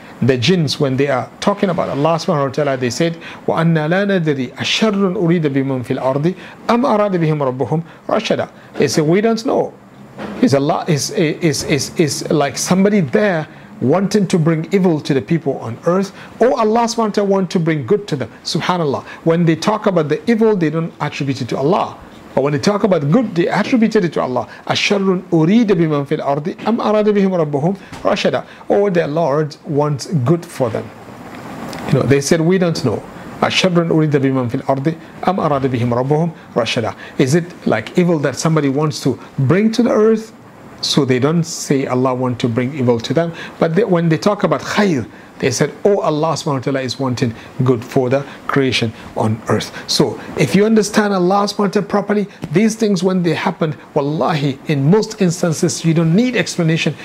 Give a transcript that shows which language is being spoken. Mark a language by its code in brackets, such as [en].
[en] The jinns, when they are talking about Allah subhanahu wa ta'ala, they said, [ar] وَأَنَّا لَا نَدْرِي أَشَّرٌ أُرِيدَ بِمَنْ فِي الْأَرْضِ أَمْ أَرَادَ بِهِمْ رَبُّهُمْ رَشَدًا. [en] They say, we don't know. Is Allah is like somebody there wanting to bring evil to the people on earth, or Allah subhanahu wa ta'ala want to bring good to them? SubhanAllah. When they talk about the evil, they don't attribute it to Allah. But when they talk about good, they attributed it to Allah. [ar] أَشَّرٌ أُرِيدَ بِمَنْ فِي الْأَرْضِ أَمْ أَرَادَ بِهِمْ رَبُّهُمْ رَشَدًا. [en] Or their Lord wants good for them. You know, they said, we don't know. [ar] أَشَّرٌ أُرِيدَ بِمَنْ فِي الْأَرْضِ أَمْ أَرَادَ بِهِمْ رَبُّهُمْ رَشَدًا. [en] Is it like evil that somebody wants to bring to the earth? So they don't say Allah want to bring evil to them. But they, when they talk about khayr, they said, oh, Allah subhanahu wa ta'ala is wanting good for the creation on earth. So if you understand Allah subhanahu wa ta'ala properly, these things, when they happen, wallahi, in most instances, you don't need explanation.